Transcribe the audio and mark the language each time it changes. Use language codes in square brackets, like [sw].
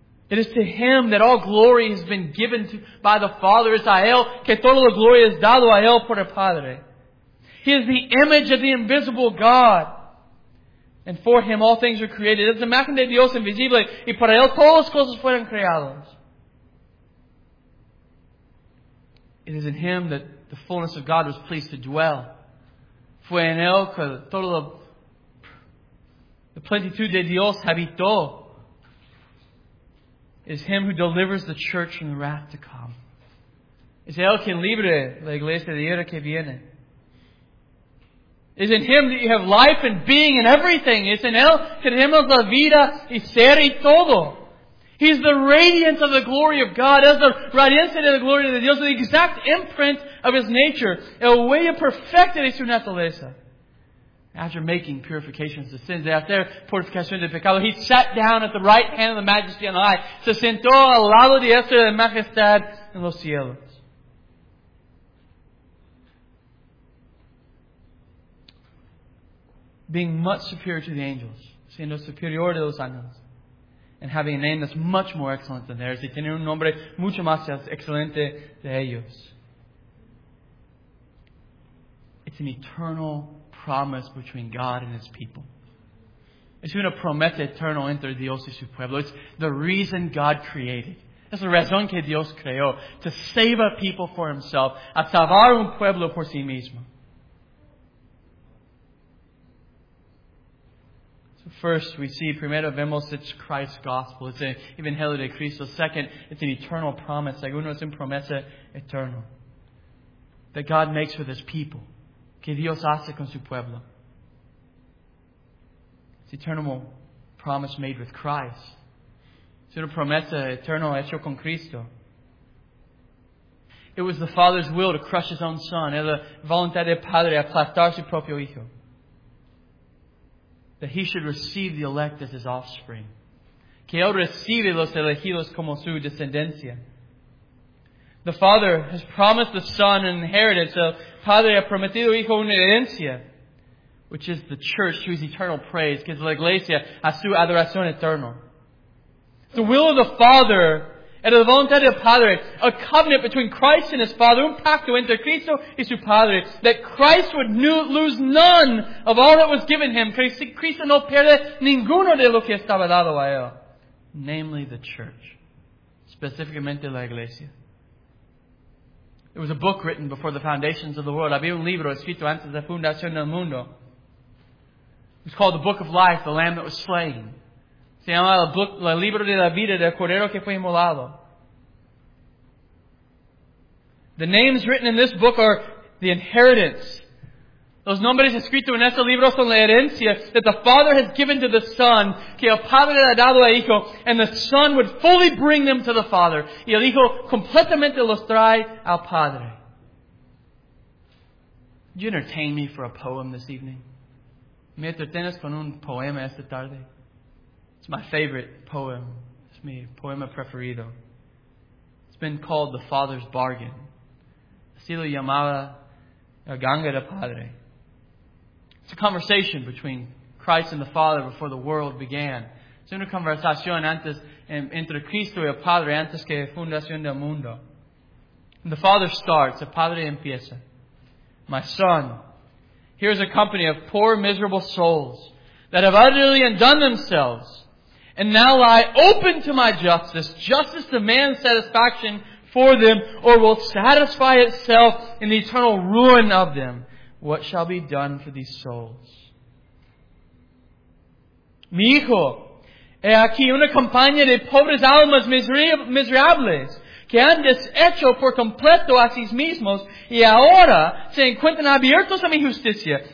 [en] It is to Him that all glory has been given to by the Father. [es] Es a Él que toda la gloria es dado a Él por el Padre. [en] He is the image of the invisible God. And for Him all things are created. [es] Es la imagen de Dios invisible y para Él todas las cosas fueron creadas. [en] It is in Him that the fullness of God was pleased to dwell. [es] Fue en Él que toda la plenitud de Dios habitó. [en] It is Him who delivers the church from the wrath to come. [es] Es Él quien libre la iglesia de la ira que viene. [en] It is in Him that you have life and being and everything. [es] Es en Él que tenemos la vida y ser y todo. [en] He's the radiance of the glory of God. [es] Él es la radiancia de la gloria de Dios. [en] The exact imprint of His nature. [es] El huella perfecta de su naturaleza. [en] After making purifications of sins, after purification [es] de pecado, [en] He sat down at the right hand of the majesty on high. [es] Se sentó al lado de esta de majestad en los cielos. [en] Being much superior to the angels. [es] Siendo superior de los ángeles. [en] And having a name that's much more excellent than theirs. [es] Y tiene un nombre mucho más excelente de ellos. [en] It's an eternal promise between God and His people. [es] Es una promesa eterna entre Dios y su pueblo. [en] It's the reason God created. [es] Es la razón que Dios creó. [en] To save a people for Himself. [es] A salvar un pueblo por sí mismo. [en] First, we see, [es] primero vemos, [en] it's Christ's gospel. It's an [es] evangelio de Cristo. [en] Second, it's an eternal promise. [es] Segundo, es una promesa eterna [en] that God makes with His people. [es] Que Dios hace con su pueblo. [en] Es eternal promise made with Christ. [es] Es una promesa eterna hecha con Cristo. [en] It was the Father's will to crush His own Son. [es] Era la voluntad del Padre aplastar su propio Hijo. [en] That He should receive the elect as His offspring. [es] Que Él recibe los elegidos como su descendencia. [en] The Father has promised the Son an inheritance. [es] El Padre ha prometido Hijo una herencia. [en] Which is the church to His eternal praise. [es] Que es la iglesia a su adoración eterna. [en] The will of the Father, [es] era la voluntad del Padre, [en] a covenant between Christ and His Father, [es] un pacto entre Cristo y su Padre, [en] that Christ would lose none of all that was given Him. [es] Cristo no pierde ninguno de lo que estaba dado a Él. [en] Namely the church. [es] Específicamente la iglesia. [en] It was a book written before the foundations of the world. [es] Había un libro escrito antes de la fundación del mundo. [en] It was called the Book of Life, the Lamb that was slain. [es] Se llama el book, el libro de la vida del cordero que fue inmolado. [en] The names written in this book are the inheritance. [es] Los nombres escritos en este libro son la herencia [en] that the Father has given to the Son, [es] que el Padre ha dado al Hijo, [en] and the Son would fully bring them to the Father. [es] Y el Hijo completamente los trae al Padre. [en] Would you entertain me for a poem this evening? [es] ¿Me entretienes con un poema esta tarde? [en] It's my favorite poem. It's [es] mi poema preferido. [en] It's been called The Father's Bargain. [es] Así lo llamaba el ganga del Padre. [en] It's a conversation between Christ and the Father before the world began. [es] Es una conversación antes entre Cristo y el Padre antes que fundación del mundo. [en] And the Father starts, [es] el Padre empieza. [en] My son, here's a company of poor, miserable souls that have utterly undone themselves and now lie open to my justice. Justice demands satisfaction for them or will satisfy itself in the eternal ruin of them. What shall be done for these souls? [es] Mi hijo, he aquí una compañía de pobres almas miserables que han deshecho por completo a sí mismos y ahora se encuentran abiertos a mi justicia.